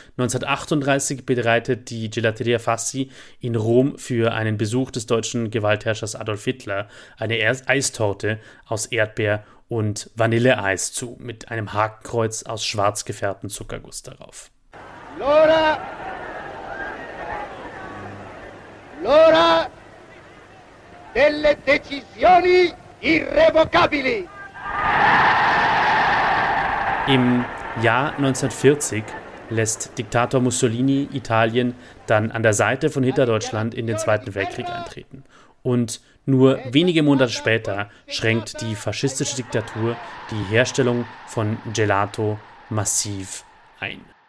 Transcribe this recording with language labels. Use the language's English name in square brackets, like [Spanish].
[German] 1938 bereitet die Gelateria Fassi in Rom für einen Besuch des deutschen Gewaltherrschers Adolf Hitler eine Eistorte aus Erdbeer- und Vanilleeis zu, mit einem Hakenkreuz aus schwarz gefärbtem Zuckerguss darauf. [Italian] L'ora delle decisioni irrevocabili. [German] Im Jahr 1940 lässt Diktator Mussolini Italien dann an der Seite von Hitler-Deutschland in den Zweiten Weltkrieg eintreten. Und nur wenige Monate später schränkt die faschistische Diktatur die Herstellung von Gelato massiv ein.